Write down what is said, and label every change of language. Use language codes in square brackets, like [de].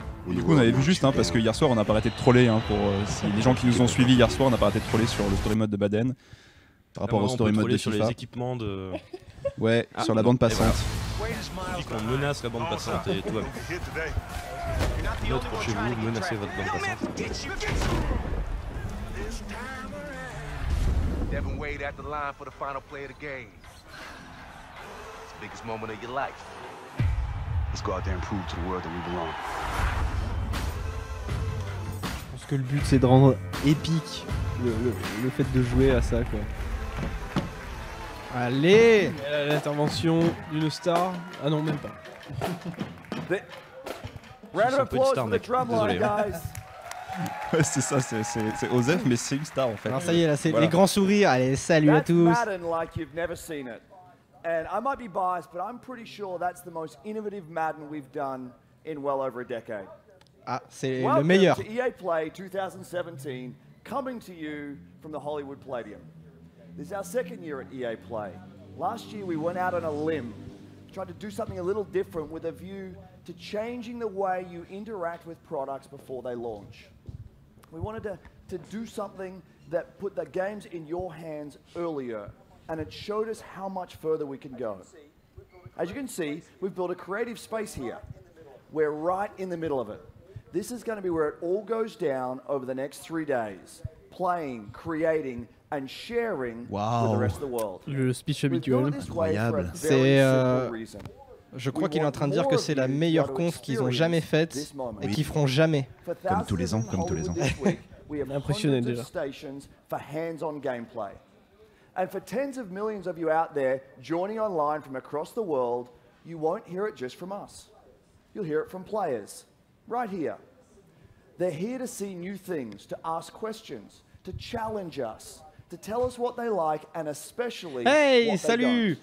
[fr] Et du coup, on avait vu juste, hein, parce que hier soir, on n'a pas arrêté de troller. Hein, pour si les gens qui nous ont suivis hier soir, on n'a pas arrêté de troller sur le story mode de Madden. Par rapport au story mode de FIFA. Sur les équipements de... Ouais, ah, sur la bande passante. Voilà. Dit qu'on menace la bande passante et tout va bien. Note pour chez vous, menacez votre bande passante. [en] Devin Wade at the line for the final play of the game. It's the biggest moment of your life. Let's go out there and prove to the world that we belong. [fr] Je pense que le but c'est de rendre épique le fait de jouer à ça quoi. Allez! L'intervention d'une star. Ah non, même pas. [en] Round of applause for the drumline, guys. [fr] Ouais, c'est ça, c'est Osef, mais c'est une star en fait. Alors ça y est, là, c'est voilà. Les grands sourires. Allez, salut à tous. C'est Madden [en] like you've never seen it. And I might be biased, but I'm pretty sure that's the most innovative Madden we've done in well over a decade. [fr] Ah, c'est [en] welcome [fr] le meilleur. [en] To EA Play 2017, coming to you from the Hollywood Palladium. This is our second year at EA Play. Last year, we went out on a limb, tried to do something a little different with a view to changing the way you interact with products before they launch. We wanted to do something that put the games in your hands earlier, and it showed us how much further we can go. As you can see, we've built a creative space here. We're right in the middle of it. This is going to be where it all goes down over the next 3 days, playing, creating, and sharing with the rest of the world. [fr] Le speech habituel, incroyable. C'est je crois qu'il est en train de dire que c'est la meilleure conf qu'ils ont jamais faite et qu'ils feront jamais. Comme tous les ans, comme tous les ans. Impressionné déjà. [en] Stations for hands-on gameplay. And for tens of millions of you out there joining online from across the world, you won't hear it just from us. You'll hear it from players right here. They're here to see new things, to ask questions, to challenge us, to tell us what they like, and especially hey, what [fr] salut.